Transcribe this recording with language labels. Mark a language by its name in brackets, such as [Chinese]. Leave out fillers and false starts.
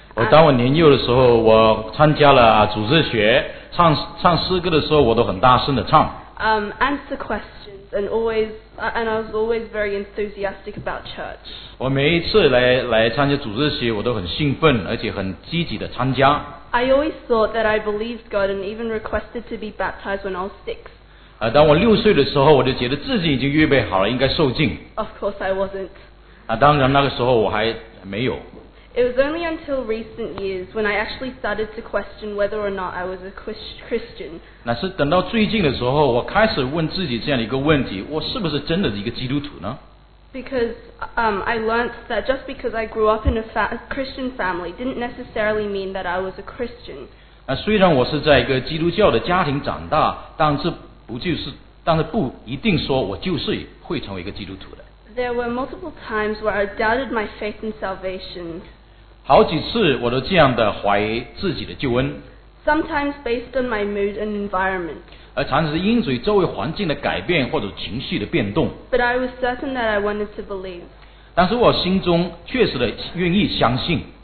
[Chinese] 当我年幼的时候，我参加了主日学，唱诗歌的时候，我都很大声的唱。 [English] Answer questions and always, and I was always very enthusiastic about church. [Chinese] 我每一次来参加主日学，我都很兴奋，而且很积极的参加。 [English] I always thought that I believed God and even requested to be baptized when I was six. [Chinese] 当我六岁的时候，我就觉得自己已经预备好了，应该受浸。 [English] Of course I wasn't. [Chinese] 当然那个时候我还没有。 [English] It was only until recent years when I actually started to question whether or not I was a Christian. [Chinese] 那是等到最近的时候，我开始问自己这样一个问题：我是不是真的一个基督徒呢？ [English] Because I learned that just because I grew up in a Christian family didn't necessarily mean that I was a Christian. [Chinese] 那虽然我是在一个基督教的家庭长大，但是不一定说我就是会成为一个基督徒的。 [English] There were multiple times where I doubted my faith in salvation. [Chinese] 好几次我都这样的怀疑自己的救恩。 [English] Sometimes based on my mood and environment. [Chinese] 而常常是因随周围环境的改变或者情绪的变动。 [English] But I was certain that I wanted to believe. [Chinese] 但是我心中确实的愿意相信。